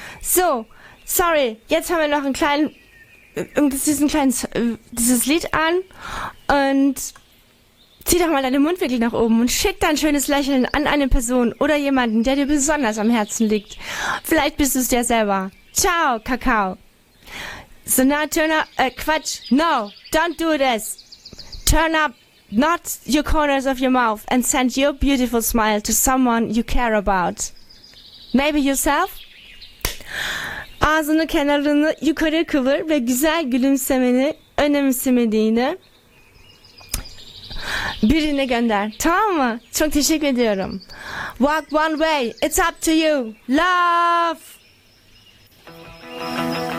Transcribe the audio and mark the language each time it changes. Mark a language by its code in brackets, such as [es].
[de] So, sorry, jetzt haben wir noch einen kleinen, dieses Lied an und zieh doch mal deine Mundwinkel nach oben und schick dein schönes Lächeln an eine Person oder jemanden, der dir besonders am Herzen liegt. Vielleicht bist du es dir selber. Ciao, Kakao. [en] So now turn up, Quatsch, no, don't do this. Turn up not your corners of your mouth and send your beautiful smile to someone you care about. Maybe yourself? [tr] Ağzını kenarını yukarı kıvır ve güzel gülümsemeni önemsemediğini birine gönder. Tamam mı? Çok teşekkür ediyorum. [en] Walk one way. It's up to you. Love!